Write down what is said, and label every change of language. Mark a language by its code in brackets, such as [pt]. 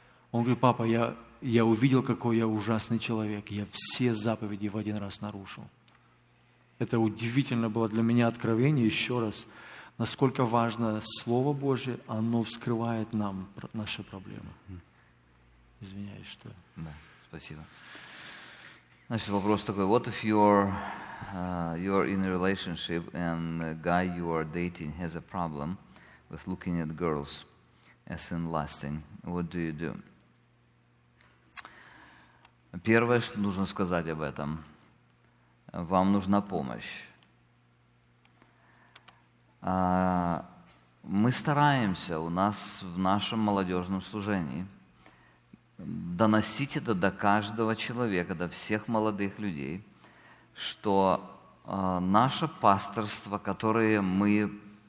[ru] Он говорит: «Папа, я увидел, какой я ужасный человек. Я все заповеди в один раз нарушил». Это удивительно было для меня откровение, еще раз, насколько важно Слово Божие, оно вскрывает нам наши проблемы. Извиняюсь, что... Да, спасибо. Значит, вопрос такой: [en] what if you're in a relationship and the guy you are dating has a problem with looking at girls as in lusting? What do you do? [ru] Первое, что нужно сказать об этом, вам нужна помощь. Мы стараемся у нас в нашем молодежном служении доносить это до каждого человека, до всех молодых людей, что наше пасторство, которое мы